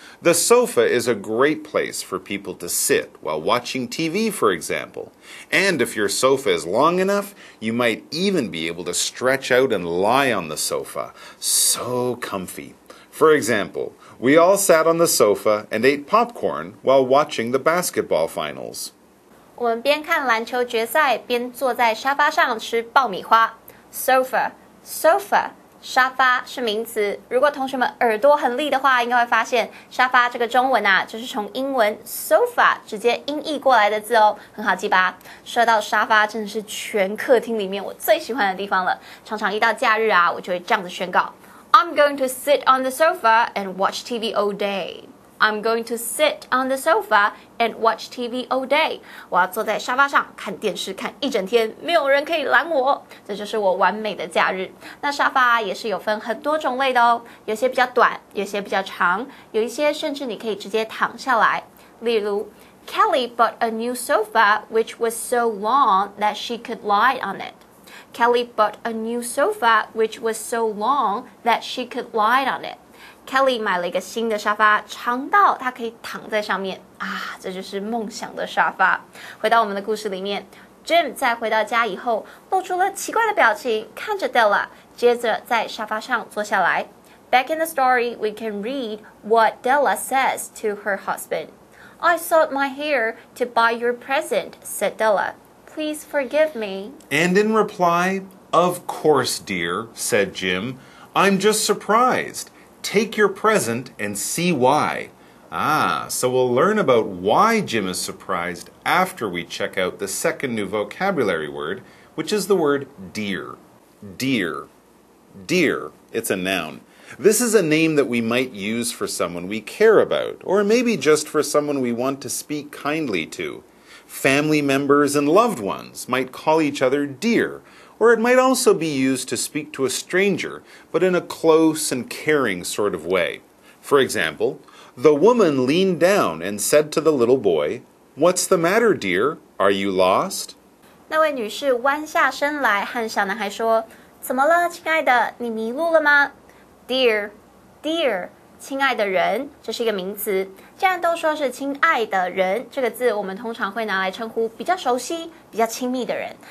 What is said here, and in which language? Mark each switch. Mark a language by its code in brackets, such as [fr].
[en] The sofa is a great place for people to sit while watching TV, for example. And if your sofa is long enough, you might even be able to stretch out and lie on the sofa. So comfy. For example, we all sat on the sofa and ate popcorn while watching the basketball finals. [zh] 我们边看篮球决赛边坐在沙发上吃爆米花。 [en] Sofa, sofa, [zh] 沙发是名词。如果同学们耳朵很利的话，应该会发现沙发这个中文啊，就是从英文 sofa 直接音译过来的字哦，很好记吧？说到沙发，真的是全客厅里面我最喜欢的地方了。常常一到假日啊，我就会这样子宣告。 [en] I'm going to sit on the sofa and watch TV all day. I'm going to sit on the sofa and watch TV all day. [zh] 我要坐在沙发上看电视看一整天，没有人可以拦我。这就是我完美的假日。那沙发也是有分很多种类的哦，有些比较短，有些比较长，有一些甚至你可以直接躺下来。例如 [en] ，Kelly bought a new sofa which was so long that she could lie on it. Kelly bought a new sofa which was so long that she could lie on it. [zh] Kelly 买了一个新的沙发，长到她可以躺在上面啊，这就是梦想的沙发。回到我们的故事里面， Jim 在回到家以后露出了奇怪的表情，看着 Della， 接着在沙发上坐下来。 [en] Back in the story, we can read what Della says to her husband. I sold my hair to buy your present, said Della. Please forgive me. And in reply, of course, dear, said Jim. I'm just surprised. Take your present and see why. Ah, so we'll learn about why Jim is surprised after we check out the second new vocabulary word, which is the word dear. Dear. Dear. It's a noun. This is a name that we might use for someone we care about, or maybe just for someone we want to speak kindly to. Family members and loved ones might call each other dear, or it might also be used to speak to a stranger, but in a close and caring sort of way. For example, the woman leaned down and said to the little boy, What's the matter, dear? Are you lost? [zh] 那位女士弯下身来和小男孩说，怎么了，亲爱的，你迷路了吗？ [en] Dear, dear. [zh] 亲爱的人，这是一个名词。既然都说是亲爱的人，这个字我们通常会拿来称呼比较熟悉、比较亲密的人。